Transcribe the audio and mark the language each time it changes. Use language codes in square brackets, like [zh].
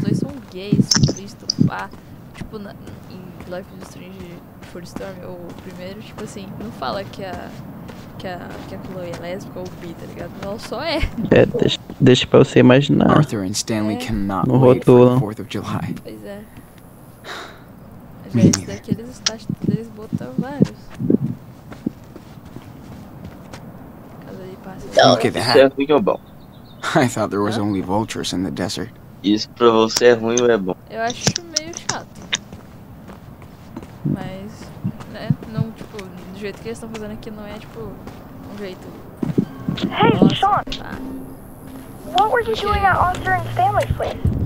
[pt] Tipo, em Life is Strange Full Storm, o primeiro, tipo assim, não fala que a Chloe é lésbica ou bi, tá ligado? Ela só é. É, deixa pra você imaginar. [en] Arthur and Stanley cannot wait for the 4th of July. [pt] Pois é. Já esse daqui eles estão botam vários. Casa de passa. [en] Look at that. I thought there was only vultures in the desert. [pt] Isso pra você é ruim ou é bom? Eu acho meio chato. Mas, né, não, tipo, do jeito que eles estão fazendo aqui não é, tipo, um jeito. [en] Hey, Sean! What were you doing at Arthur and Stanley's place?